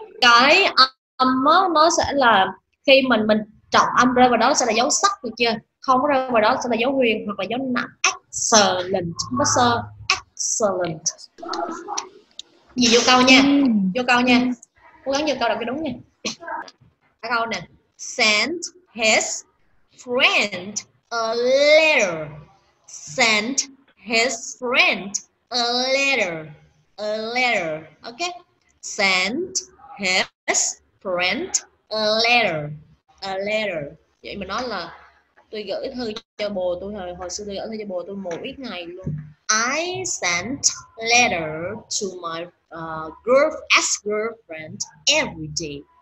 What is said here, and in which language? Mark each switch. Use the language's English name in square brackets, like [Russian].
[Vietnamese] Cái âm nó sẽ là khi mình trọng âm rơi vào đó sẽ là dấu sắc, được chưa? Không rơi vào đó sẽ là dấu huyền hoặc là dấu nặng. [English] Excellent. [Vietnamese] Nó sơ. Excellent. Gì vô câu nha. Vô câu nha. Cố gắng vô câu đọc cái đúng nha. Cái câu nè. [English] Send his friend a letter. Send his friend a letter. A letter. Okay. Send his friend a letter. A letter. [Vietnamese] Vậy mà nói là tôi gửi thư cho bồ tôi hồi xưa tôi gửi thư cho bồ tôi mỗi ít ngày luôn. [English] I sent letter to my ex-girlfriend every day.